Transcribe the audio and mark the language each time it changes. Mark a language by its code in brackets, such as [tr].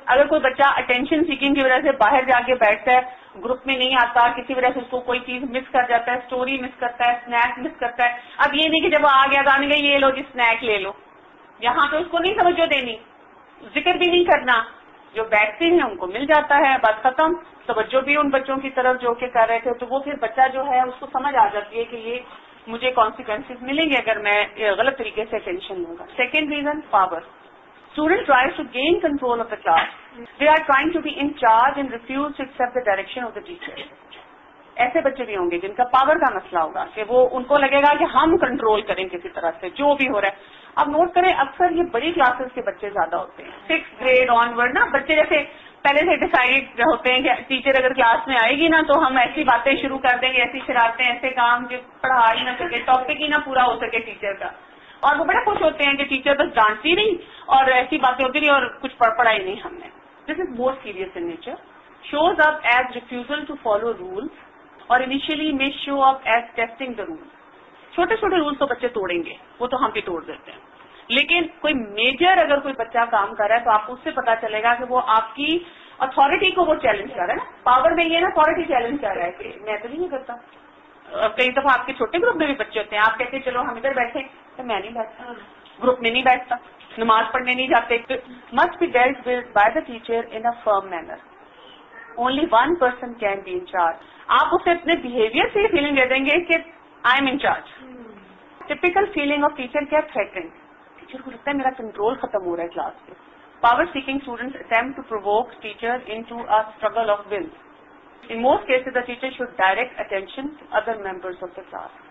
[ur] اگر کوئی بچہ اٹینشن سیکنگ کی وجہ سے باہر جا کے بیٹھتا ہے, گروپ میں نہیں آتا, کسی وجہ سے اس کو کوئی چیز مس کر جاتا ہے, سٹوری مس کرتا ہے, سنیک مس کرتا ہے, اب یہ نہیں کہ جب وہ آ گیا تو آنے گئے یہ لو جی سنیک لے لو, یہاں تو اس کو نہیں توجہ دینی, ذکر بھی نہیں کرنا, جو بیٹھتے ہیں ان کو مل جاتا ہے, بس ختم. توجہ بھی ان بچوں کی طرف جو کہ کر رہے تھے, تو وہ پھر بچہ جو ہے اس کو سمجھ آ جاتی ہے کہ یہ مجھے کانسیکوینسز ملیں گے اگر میں غلط طریقے سے اٹینشن لوں گا. Second reason, power. [en] Student tries to gain control of the class. They are trying to be in charge and refuse to accept the direction of the teacher. [ur] ایسے بچے بھی ہوں گے جن کا پاور کا مسئلہ ہوگا کہ وہ ان کو لگے گا کہ ہم کنٹرول کریں کسی طرح سے جو بھی ہو رہا ہے. اب نوٹ کریں اکثر یہ بڑی کلاسز کے بچے زیادہ ہوتے ہیں, [en] six grade onward [ur] نا, بچے جیسے پہلے سے ڈیسائڈ ہوتے ہیں کہ ٹیچر اگر کلاس میں آئے گی نا تو ہم ایسی باتیں شروع کر دیں گے, ایسی شرارتیں, ایسے کام جو پڑھا ہی نہ سکے, ٹاپک ہی نہ پورا ہو سکے ٹیچر کا, اور وہ بڑا خوش ہوتے ہیں کہ ٹیچر بس ڈانٹتی رہی اور ایسی باتیں ہوتی رہی اور کچھ پڑھائی نہیں ہم نے. [en] This is more serious in nature. Shows up as refusal to follow rules اور initially may show up as testing the rule. [ur] چھوٹے چھوٹے رولس تو بچے توڑیں گے, وہ تو ہم بھی توڑ دیتے ہیں, لیکن کوئی میجر اگر کوئی بچہ کام کر رہا ہے تو آپ کو اس سے پتا چلے گا کہ وہ آپ کی اتھارٹی کو وہ چیلنج کر رہا ہے نا. پاور میں یہ نا اتھارٹی چیلنج کر رہا ہے کہ میں تو نہیں کرتا. کئی دفعہ آپ کے چھوٹے گروپ میں بھی بچے ہوتے ہیں, آپ کہتے ہیں چلو ہم ادھر بیٹھے, تو میں نہیں بیٹھتا, گروپ میں نہیں بیٹھتا, نماز پڑھنے نہیں جاتے. [en] Must be dealt with by the teacher in a firm manner, only one person can be in charge. [ur] آپ اسے اپنے بہیویئر سے فیلنگ دے دیں گے کہ [en] I am in charge. Typical feeling of teacher [ur] کیا تھریٹن, ٹیچر کو لگتا ہے میرا کنٹرول ختم ہو رہا ہے کلاس پہ. [en] Power seeking students attempt to provoke teacher into a struggle of wills. In most cases, the teacher should direct attention to other members of the class.